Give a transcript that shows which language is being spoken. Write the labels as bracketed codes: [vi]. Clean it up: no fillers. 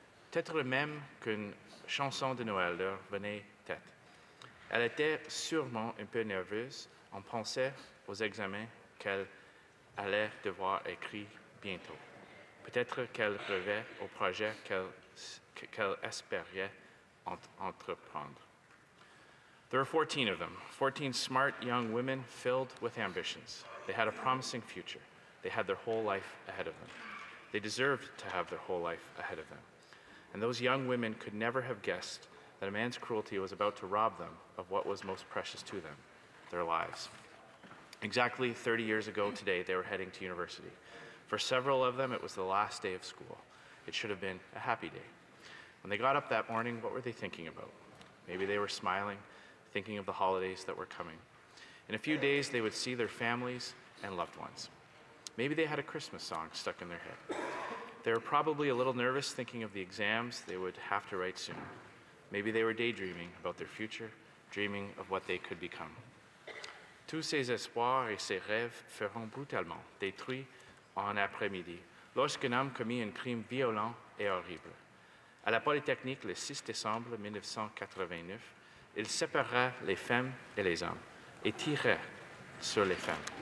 [fr] Peut-être même qu'une chanson de Noël leur venait tête. Elle était sûrement un peu nerveuse en pensant aux examens qu'elle allait devoir écrire bientôt. Peut-être qu'elle rêvait au projet qu'elle espérait entreprendre. [en] There were 14 of them, 14 smart young women filled with ambitions. They had a promising future. They had their whole life ahead of them. They deserved to have their whole life ahead of them. And those young women could never have guessed that a man's cruelty was about to rob them of what was most precious to them, their lives. Exactly 30 years ago today, they were heading to university. For several of them, it was the last day of school. It should have been a happy day. When they got up that morning, what were they thinking about? Maybe they were smiling, thinking of the holidays that were coming. In a few days, they would see their families and loved ones. Maybe they had a Christmas song stuck in their head. They were probably a little nervous thinking of the exams they would have to write soon. Maybe they were daydreaming about their future, dreaming of what they could become. [fr] Tous ces espoirs et ces rêves furent brutalement détruits en après-midi, lorsqu'un homme commit un crime violent et horrible. À la Polytechnique, le 6 décembre 1989, il sépara les femmes et les hommes et tira sur les femmes.